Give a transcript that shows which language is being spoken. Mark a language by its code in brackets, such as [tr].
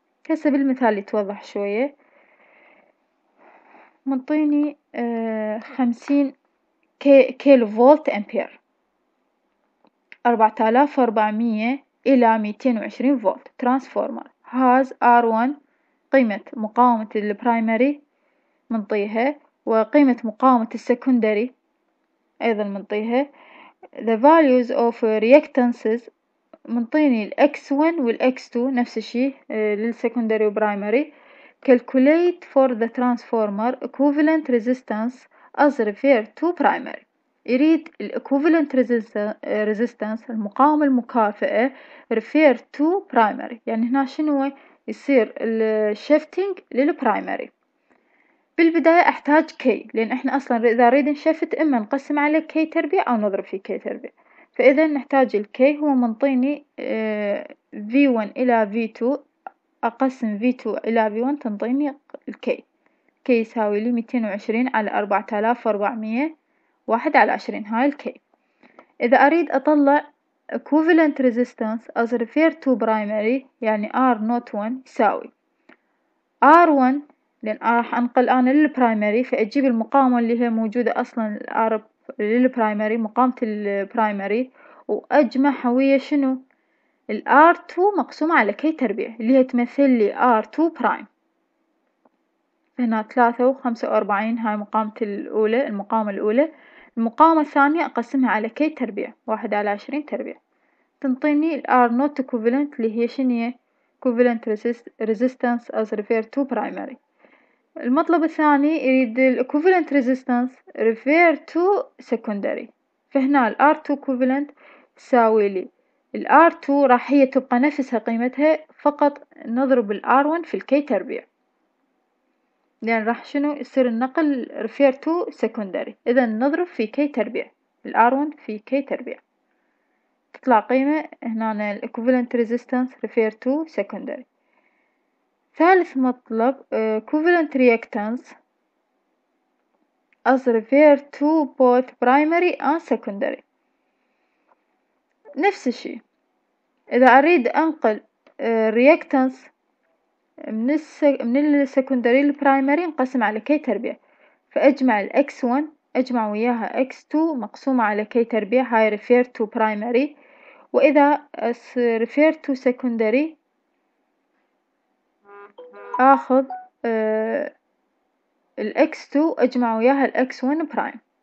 [ar] هسه بالمثال يتوضح شوية، منطيني 50 كيلو فولت أمبير، 4400 إلى 220 فولت ترانسفورمر هاز R1، قيمة مقاومة البرايمري منطيها، وقيمة مقاومة السكندري أيضا منطيها. [en] The values of reactances [ar] منطيني الـ X1 والـ X2 نفس الشيء للسكندري وبرايمري. [en] Calculate for the transformer equivalent resistance as referred to primary، [ar] يريد الإكوفلنت ريزيستنس المقاومة المكافئة refer to primary، يعني هنا شنو يصير؟ الشيفتينج للبرايمري. بالبداية أحتاج كي، لأن إحنا أصلا إذا نريد نشفت إما نقسم على كي تربيع أو نضرب في كي تربيع، فإذا نحتاج الكي، هو منطيني V1 إلى V2، أقسم V2 إلى V1 تنطيني الكي، كي يساوي لي 220 على 4400 واحد على 20، هاي الكي. إذا أريد أطلع [en] equivalent resistance as referred to primary [ar] يعني R not 1 يساوي R1، لأن راح أنقل أنا للبرايمري، فأجيب المقاومة اللي هي موجودة أصلا R للبرايمري، مقاومة البرايمري، وأجمع حوية شنو؟ الـ R2 مقسومة على كي تربيع اللي هي تمثل لي R2 برايم. هنا 3 و45 هاي مقاومتي الأولى، المقاومة الأولى. المقاومة الثانية أقسمها على كي تربيع، 1/20 تربيع، تنطيني الـ R not equivalent اللي هي شنية [en] equivalent resistance as referred to primary. [ar] المطلب الثاني يريد الـ [en] equivalent resistance referred to secondary. [ar] فهنا الـ R2 equivalent تساوي لي الـ R2 راح هي تبقى نفسها قيمتها، فقط نضرب الـ R1 في الكي تربيع، لأن راح شنو يصير النقل ريفير تو سكندري، إذا نضرب في كي تربيع الـ R1 في كي تربيع تطلع قيمة هنا الـ equivalent resistance ريفير تو سكندري. ثالث مطلب [en] equivalent reactance as refer to both primary and secondary. [ar] نفس الشيء، إذا أريد أنقل الرياكتنس من السكندري للبرايمري نقسم على كي تربيع، فأجمع الـ X1 أجمع وياها X2 مقسومة على كي تربيع، هاي [en] refer to primary، [ar] وإذا [en] refer to secondary [ar] آخذ الـ X2 أجمع وياها الـ X1 برايم.